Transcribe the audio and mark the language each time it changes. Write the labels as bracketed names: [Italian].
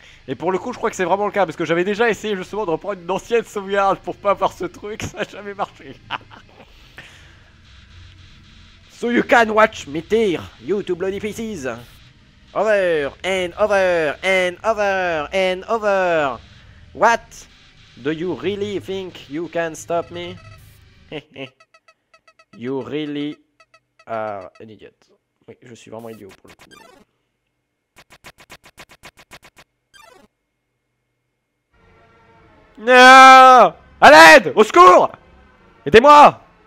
[French] Et pour le coup, je crois que c'est vraiment le cas, parce que j'avais déjà essayé justement de reprendre une ancienne sauvegarde pour pas avoir ce truc, ça a jamais marché. [English] So you can watch me tear, you two bloody pieces. Over, and over, and over, and over. What? Do you really think you can stop me? You really are an idiot. [French] Oui, je suis vraiment idiot pour le coup. Non! À l'aide! Au secours! Aidez-moi!